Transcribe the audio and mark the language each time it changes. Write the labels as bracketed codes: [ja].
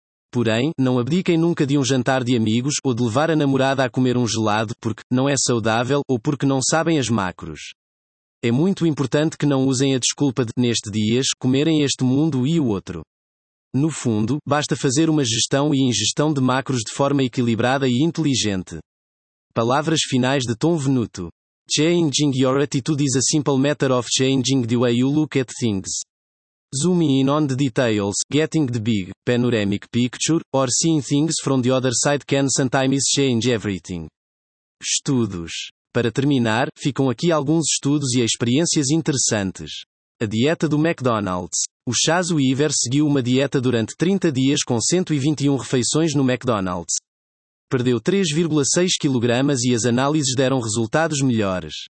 [pt] Porém, não abdiquem nunca de um jantar de amigos ou de levar a namorada a comer um gelado porque não é saudável ou porque não sabem as macros. É muito importante que não usem a desculpa de, neste dias, comerem este mundo e o outro. No fundo, basta fazer uma gestão e ingestão de macros de forma equilibrada e inteligente. Palavras finais de Tom Venuto. [en] Changing your attitude is a simple matter of changing the way you look at things. Zooming in on the details, getting the big, panoramic picture, or seeing things from the other side can sometimes change everything. [pt] Estudos. Para terminar, ficam aqui alguns estudos e experiências interessantes. A dieta do McDonald's. O Chaz Weaver seguiu uma dieta durante 30 dias com 121 refeições no McDonald's. Perdeu 3,6 kg e as análises deram resultados melhores.